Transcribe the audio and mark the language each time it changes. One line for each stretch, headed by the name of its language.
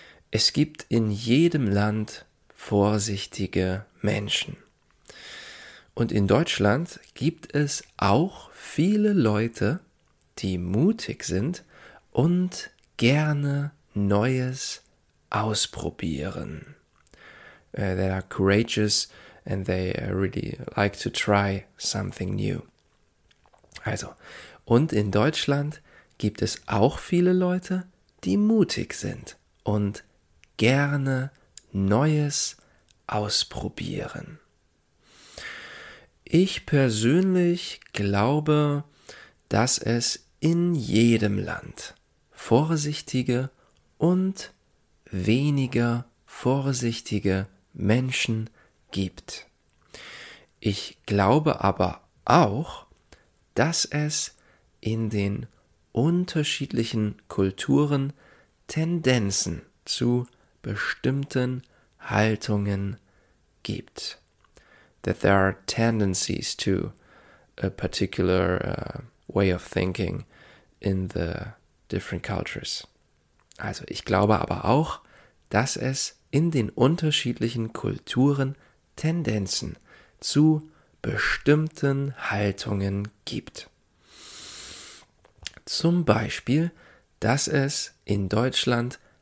German: Es gibt in jedem Land vorsichtige Menschen. Und in Deutschland gibt es auch viele Leute, die mutig sind und gerne Neues ausprobieren.
English: They are courageous and they really like to try something new.
German: Also, und in Deutschland gibt es auch viele Leute, die mutig sind und gerne Neues ausprobieren. Ich persönlich glaube, dass es in jedem Land vorsichtige und weniger vorsichtige Menschen gibt. Ich glaube aber auch, dass es in den unterschiedlichen Kulturen Tendenzen zu bestimmten Haltungen gibt.
English: That there are tendencies to a particular way of thinking in the different cultures.
German: Also, ich glaube aber auch, dass es in den unterschiedlichen Kulturen Tendenzen zu bestimmten Haltungen gibt. Zum Beispiel, dass es in Deutschland